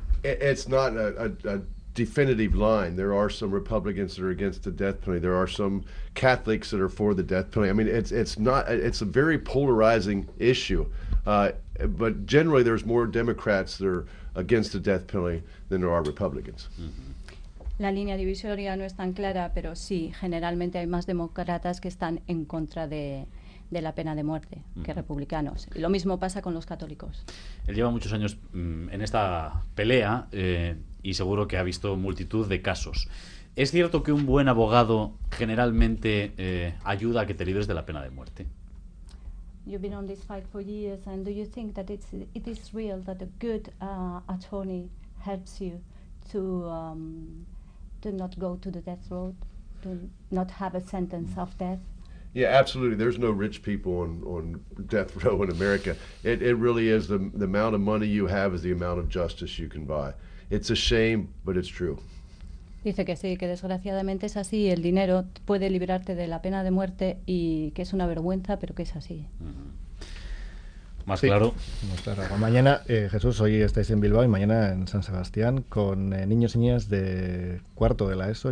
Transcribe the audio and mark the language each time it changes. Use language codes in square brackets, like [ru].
[en] It's not a definitive line. There are some Republicans that are against the death penalty. There are some Catholics that are for the death penalty. I mean, it's a very polarizing issue. But generally, there's more Democrats that are against the death penalty than there are Republicans. [es] La línea divisoria no es tan clara, pero sí, generalmente hay más demócratas que están en contra de la pena de muerte que republicanos. Y lo mismo pasa con los católicos. Él lleva muchos años en esta pelea y seguro que ha visto multitud de casos. ¿Es cierto que un buen abogado generalmente ayuda a que te libres de la pena de muerte? [en] You've been on this fight for years, and do you think that it is real that a good attorney helps you to not go to the death row, to not have a sentence of death? Yeah, absolutely. There's no rich people on death row in America. It really is the amount of money you have is the amount of justice you can buy. It's a shame, but it's true. [es] Dice que sí, que desgraciadamente es así. El dinero puede librarte de la pena de muerte y que es una vergüenza, pero que es así. Más claro. Más claro. Mañana, Jesús, hoy estáis en Bilbao y mañana en San Sebastián con niños y niñas de cuarto de la ESO.